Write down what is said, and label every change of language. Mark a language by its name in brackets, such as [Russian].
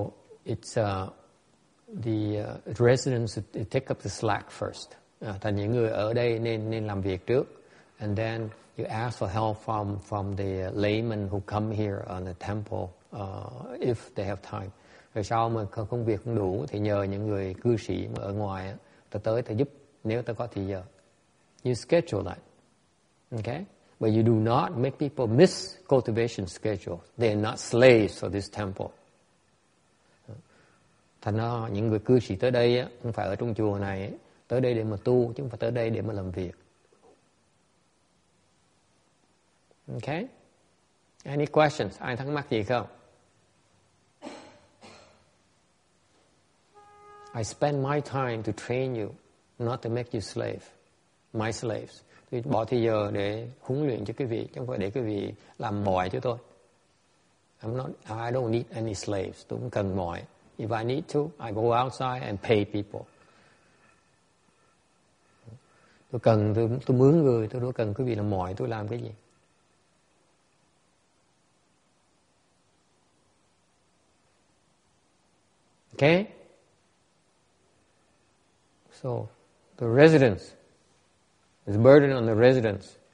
[English] So it's the residents take up the slack first. [Vietnamese] Thành những người ở đây nên làm việc trước. [English] And then you ask for help from the laymen who come here on the temple if they have time. [Vietnamese] Rồi sau mà công việc không đủ thì nhờ những người cư sĩ mà ở ngoài ta tới ta giúp nếu ta có thời giờ. [English] You schedule that, okay? But you do not make people miss cultivation schedule. They are not slaves for this temple. [Vietnamese] Thành ra những người cư sĩ tới đây không phải ở trong chùa này, tới đây để mà tu, chứ không phải tới đây để mà làm việc. [English] Okay? Any questions? [Vietnamese] Ai thắc mắc gì không? [English] I spend my time to train you, not to make you slave. My slaves. [Vietnamese] Tôi bỏ thời giờ để huấn luyện cho quý vị, chứ không phải để quý vị làm mồi cho tôi. [English] I don't need any slaves. [Vietnamese] Tôi không cần mồi. [English] If I need to, I go outside and pay people. [Vietnamese] Tôi cần, tôi mướn người, tôi đâu cần quý vị làm mồi, tôi làm cái gì. [English] Okay? So, the residents. It's a burden on the residents.